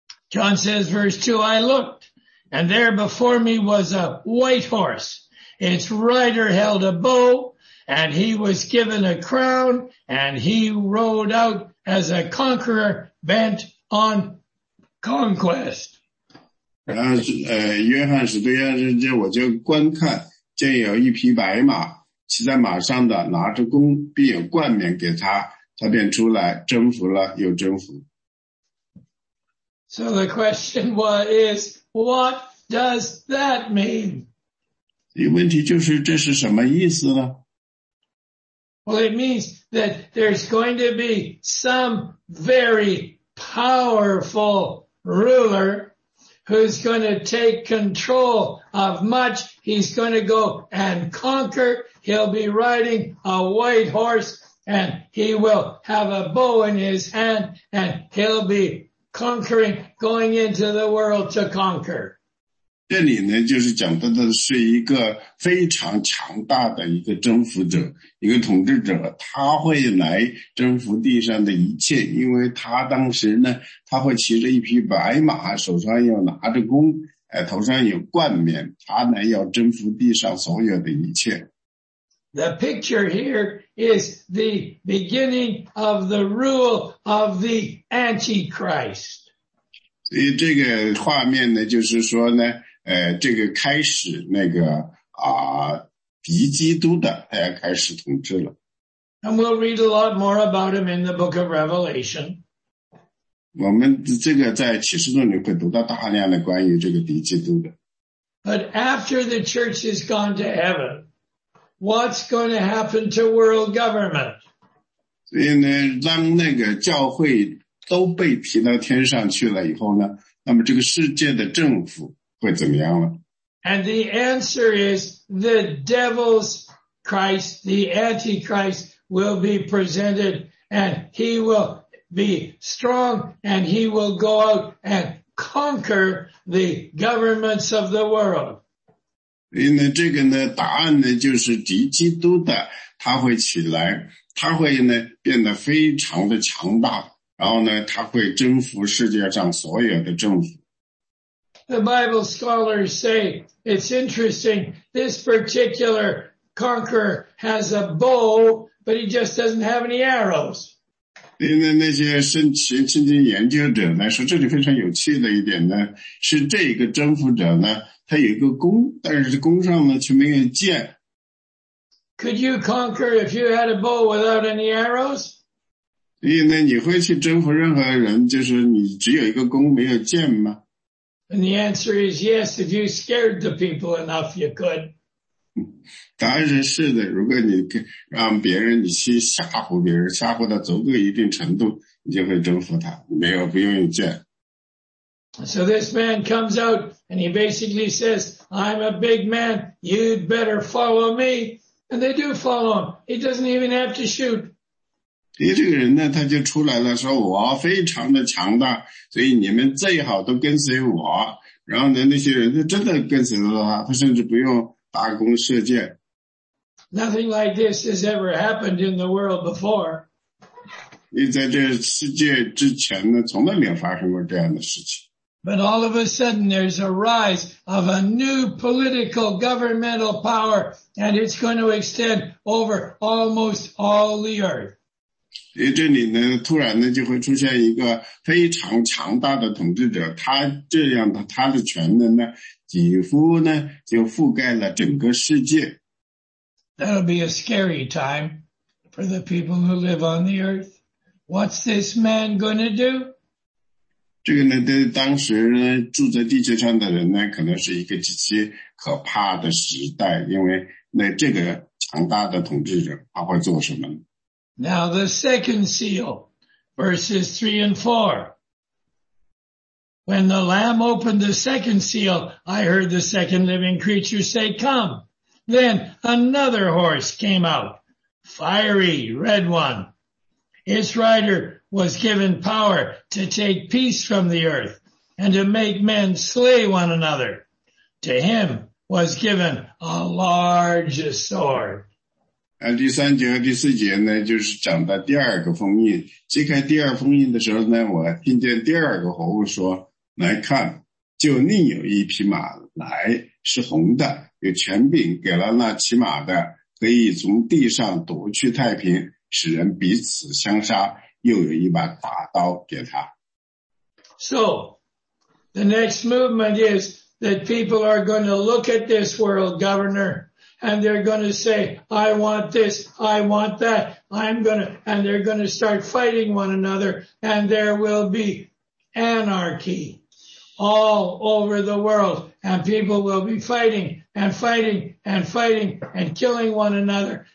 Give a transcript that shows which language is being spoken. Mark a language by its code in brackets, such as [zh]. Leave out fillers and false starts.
[en] John says, verse 2, I looked, and there before me was a white horse. Its rider held a bow, and he was given a crown, and he rode out as a conqueror bent on conquest. [zh] 然后约翰使徒约翰说，这我就观看，见有一匹白马，骑在马上的拿着弓，并有冠冕给他，他便出来征服了又征服。 [en] So the question was, is, what does that mean? [zh] 问题就是这是什么意思呢？ [en] Well, it means that there's going to be some very powerful rulerwho's going to take control of much. He's going to go and conquer. He'll be riding a white horse, and he will have a bow in his hand, and he'll be conquering, going into the world to conquer. [zh] 这里呢，就是讲到的是一个非常强大的一个征服者，一个统治者，他会来征服地上的一切，因为他当时呢，他会骑着一匹白马，手上要拿着弓，头上有冠冕，他呢要征服地上所有的一切。 [en] The picture here is the beginning of the rule of the Antichrist. [zh] 所以这个画面呢，就是说呢，这个开始那个敌基督的开始统治了。 [en] And we'll read a lot more about him in the book of Revelation. [zh] 我们这个在启示录里会读到大量的关于这个敌基督的。 [en] But after the church has gone to heaven, what's going to happen to world government? [zh] 所以呢，当那个教会都被提到天上去了以后呢，那么这个世界的政府会怎么样了？ [en] And the answer is the devil's Christ, the Antichrist will be presented and he will be strong and he will go out and conquer the governments of the world. [zh] 因为这个呢，答案呢就是敌基督的，他会起来，他会呢变得非常的强大，然后呢他会征服世界上所有的政府。 [en] The Bible scholars say, it's interesting, this particular conqueror has a bow, but he just doesn't have any arrows. [zh] 那些圣经研究者呢，说这里非常有趣的一点呢，是这个征服者呢，他有一个弓，但是弓上呢却没有箭。 [en] Could you conquer if you had a bow without any arrows? [zh] 所以呢，你会去征服任何人，就是你只有一个弓，没有箭吗？ [en] And the answer is yes, if you scared the people enough, you could. [zh] 答案是是的，如果你让别人，你去吓唬别人，吓唬到足够一定程度，你就会征服他，没有不用有箭。 [en] So this man comes out and he basically says, I'm a big man, you'd better follow me. And they do follow him. He doesn't even have to shoot. [zh] 所以这个人呢，他就出来了，说我非常的强大，所以你们最好都跟随我。然后呢，那些人就真的跟随了他，他甚至不用搭弓射箭。 [en] Nothing like this has ever happened in the world before. [zh] 你在这世界之前呢，从来没有发生过这样的事情。 [en] But all of a sudden there's a rise of a new political governmental power and it's going to extend over almost all the earth. [zh] 这里呢突然呢就会出现一个非常强大的统治者，他这样的他的权能呢几乎呢就覆盖了整个世界。 [en] That'll be a scary time for the people who live on the earth. What's this man going to do? [zh] 这个呢对当时呢住在地球上的人呢可能是一个极其可怕的时代，因为那这个强大的统治者他会做什么呢？ [en] Now the second seal, verses 3 and 4. When the Lamb opened the second seal, I heard the second living creature say, Come. Then another horse came out, fiery red one. Its rider... was given power to take peace from the earth and to make men slay one another. To him was given a large sword. [zh] 第三节和第四节呢就是讲到第二个封印。揭开第二封印的时候呢我听见第二个活物说来看就另有一匹马来是红的有权柄给了那骑马的可以从地上夺去太平使人彼此相杀。又有一把大刀给他。 [en] So, the next movement is that people are going to look at this world governor, and they're going to say, I want this, I want that, and they're going to start fighting one another, and there will be anarchy all over the world, and people will be fighting, and fighting, and fighting, and killing one another.